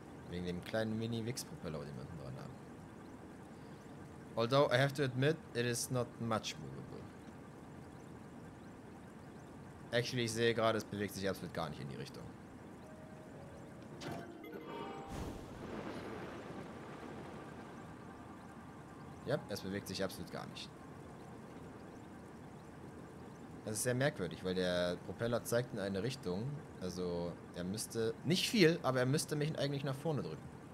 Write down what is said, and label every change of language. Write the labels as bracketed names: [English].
[German] Wegen dem kleinen Mini-Wix-Propeller, den wir unten dran haben. [English] Although I have to admit, it is not much movable. [German] Actually, ich sehe gerade, es bewegt sich absolut gar nicht in die Richtung. Ja, yep, es bewegt sich absolut gar nicht. Das ist sehr merkwürdig, weil der Propeller zeigt in eine Richtung. Also er müsste, nicht viel, aber er müsste mich eigentlich nach vorne drücken.